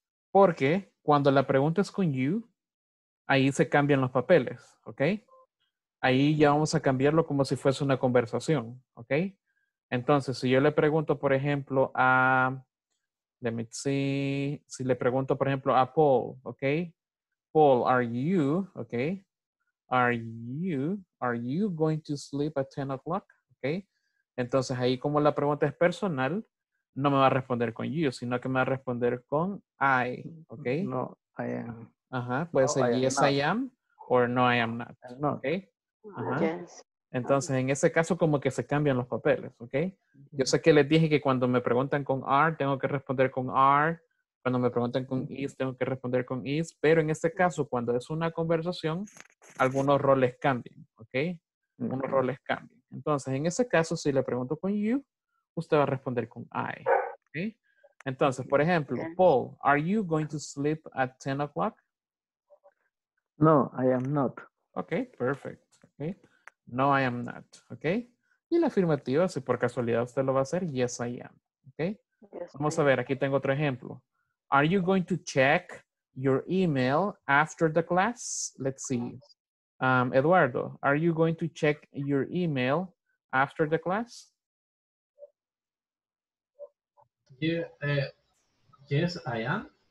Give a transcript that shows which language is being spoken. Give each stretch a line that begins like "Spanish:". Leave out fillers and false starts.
Spanish: Porque cuando la pregunta es con you, ahí se cambian los papeles, ¿ok? Ahí ya vamos a cambiarlo como si fuese una conversación, ¿ok? Entonces, si yo le pregunto, por ejemplo, a...
English: Let me see.
Spanish: Si le pregunto, por ejemplo, a Paul, ¿ok?
English: Paul, are you going to sleep at 10 o'clock?
Spanish: Okay. Entonces ahí como la pregunta es personal, no me va a responder con you, sino que me va a responder con I. Okay.
English: No, I am.
Spanish: Ajá. Puede ser
English: yes, I am, or no, I am not. No. Okay.
Spanish: Entonces en ese caso como que se cambian los papeles. Okay. Yo sé que les dije que cuando me preguntan con are, tengo que responder con are. Cuando me preguntan con is, tengo que responder con is. Pero en este caso, cuando es una conversación, algunos roles cambian, ¿ok? Unos roles cambian. Entonces, en ese caso, si le pregunto con you, usted va a responder con I, ¿ok? Entonces, por ejemplo,
English: Paul, are you going to sleep at 10 o'clock? No, I am not. Ok, perfect. Okay. No, I am not, ¿ok?
Spanish: Y la afirmativa, si por casualidad usted lo va a hacer,
English: yes, I am,
Spanish: ¿ok?
English: Yes,
Spanish: vamos a ver, aquí tengo otro ejemplo.
English: Are you going to check your email after the class? Let's see. Eduardo, are you going to check your email after the class? Yes, I am.